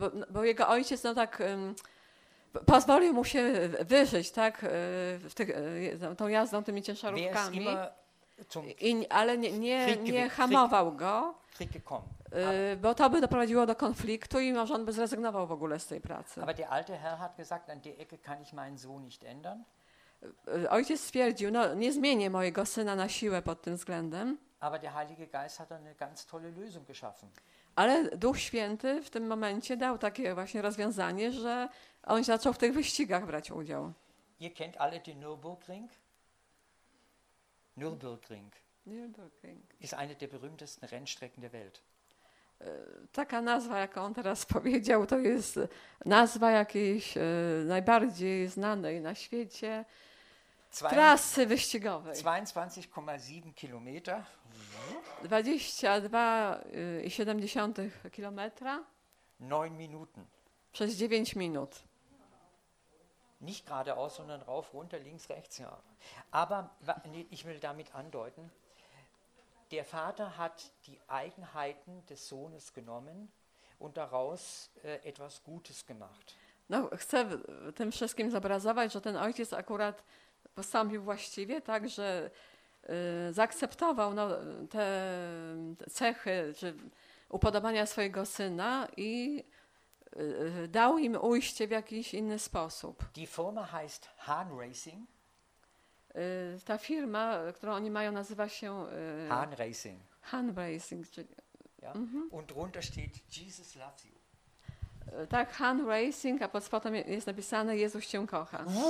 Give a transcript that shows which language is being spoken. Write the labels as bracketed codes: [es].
[pl] Bo jego ojciec no tak pozwolił mu się wyżyć, tak, w tych, tą jazdą tymi ciężarówkami, ale nie hamował go, bo to by doprowadziło do konfliktu i może on by zrezygnował w ogóle z tej pracy. [de] Aber der alte Herr hat gesagt, an der Ecke kann ich meinen Sohn nicht ändern. [pl] Ojciec stwierdził, no nie zmienię mojego syna na siłę pod tym względem. [de] Aber der Heilige Geist hat eine ganz tolle Lösung geschaffen. [pl] Ale Duch Święty w tym momencie dał takie właśnie rozwiązanie, że on zaczął w tych wyścigach brać udział. [de] Ihr kennt alle den Nürburgring? Nürburgring. Nürburgring. Ist eine der berühmtesten Rennstrecken der Welt. [pl] Taka nazwa, jaką on teraz powiedział, to jest nazwa jakiejś najbardziej znanej na świecie trasy wyścigowej. 22,7 kilometra. 22,7 kilometra. 9 minut. Przez 9 minut. [de] Nicht geradeaus, sondern rauf, runter, links, rechts. Ja. Aber nee, ich will damit andeuten. Der Vater hat die Eigenheiten des Sohnes genommen und daraus etwas Gutes gemacht. [pl] No, chcę tym wszystkim zobrazować, że ten ojciec akurat postąpił właściwie, tak, że zaakceptował no, te cechy czy upodobania swojego syna i dał im ujście w jakiś inny sposób. [de] Die Firma heißt Hahn Racing. [pl] Ta firma, którą oni mają, nazywa się Hahn Racing. Hahn Racing, czyli, [de] ja? Mm-hmm. Und drunter steht [en] Jesus loves you. [pl] Tak, Hahn Racing, a pod spodem jest napisane Jezus cię kocha.